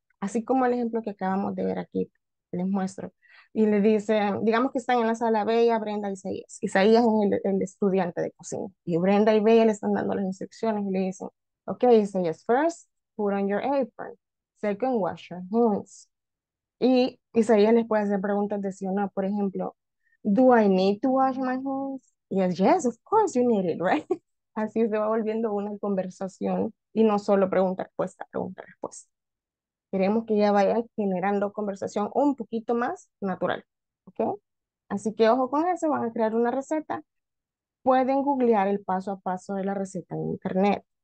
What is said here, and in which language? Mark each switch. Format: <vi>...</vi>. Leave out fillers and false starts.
<es>Así como el ejemplo que acabamos de ver aquí, les muestro. Y le dice, digamos que están en la sala Bella, Brenda y Isaías. Isaías es el estudiante de cocina. Y Brenda y Bella le están dando las instrucciones y le dicen, ok, Isaías, first, put on your apron.</es> <en>Second, wash your hands.</en> <es>Y Isaías les puede hacer preguntas de sí o no.</es> <en>Por ejemplo, do I need to wash my hands? Yes, yes, of course you need it, right?</en> <es>Así se va volviendo una conversación y no solo pregunta-respuesta. Queremos que ya vaya generando conversación un poquito más natural, ¿ok? Así que ojo con eso, van a crear una receta. Pueden googlear el paso a paso de la receta en internet.</es>